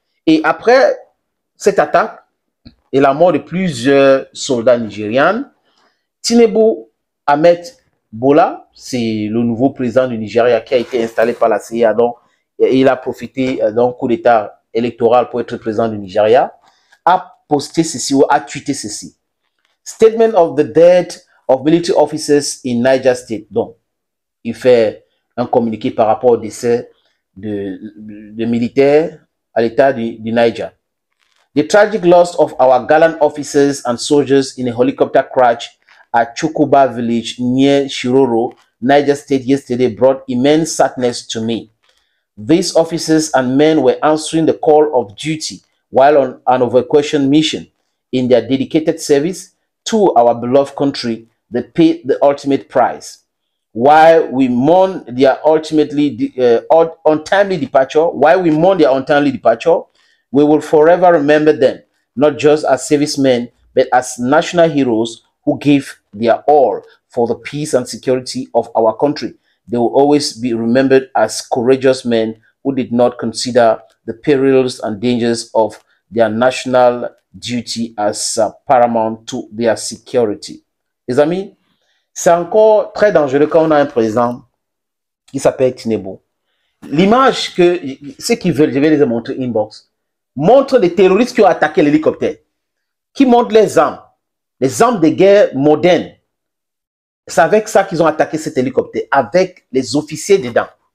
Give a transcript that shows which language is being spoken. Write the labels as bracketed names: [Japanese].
[French] Et après cette attaque et la mort de plusieurs soldats nigériens, Tinubu Ahmed Bola, c'est le nouveau président du Nigeria qui a été installé par la CIA, donc il a profité d'un coup d'État électoral pour être président du Nigeria, a posté ceci ou a tweeté ceci. [English] Statement of the death of military officers in Niger State. [French] Donc, il fait un communiqué par rapport au décès de militaires à l'État du Niger. [English] The tragic loss of our gallant officers and soldiers in a helicopter crash à Chukuba Village, near Chiroro, Niger State, yesterday brought immense sadness to me. These officers and men were answering the call of duty while on an evacuation mission. In their dedicated service to our beloved country, they paid the ultimate price. While we mourn their untimely departure, while we mourn their untimely departure, we will forever remember them, not just as servicemen, but as national heroes who give their all for the peace and security of our country. They will always be remembered as courageous men who did not consider the perils and dangers of their national duty as paramount to their security. [French] Les amis, c'est encore très dangereux quand on a un président qui s'appelle Tinubu. L'image que ceux qui veulent, je vais les montrer inbox, montre les terroristes qui ont attaqué l'hélicoptère, qui montrent les armes. Les armes de guerre modernes, c'est avec ça qu'ils ont attaqué cet hélicoptère, avec les officiers dedans.